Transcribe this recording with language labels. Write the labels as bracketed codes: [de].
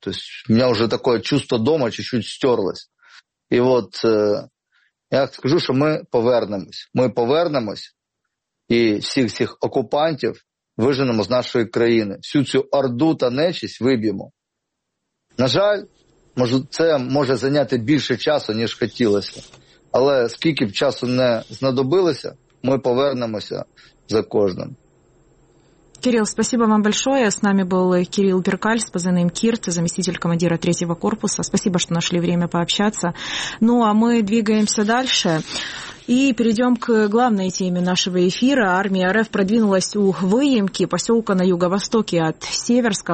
[ru] То есть у меня уже такое чувство дома чуть-чуть стерлось. И вот я скажу, что мы [uk] повернемось. Мы повернемось и всіх окупантів виженемо з нашої країни. Всю цю орду та нечисть виб'ємо. На жаль, це може зайняти більше часу, ніж хотілося. Але скільки б часу не знадобилося, ми повернемося за кожним. [ru] Кирилл, спасибо вам большое. С нами был Кирилл Беркаль, с позывным Кирт, заместитель командира 3-го корпуса. Спасибо, что нашли время пообщаться. Ну, а мы двигаемся дальше и перейдем к главной теме нашего эфира. Армия РФ продвинулась у Выемки, поселка на юго-востоке от Северска.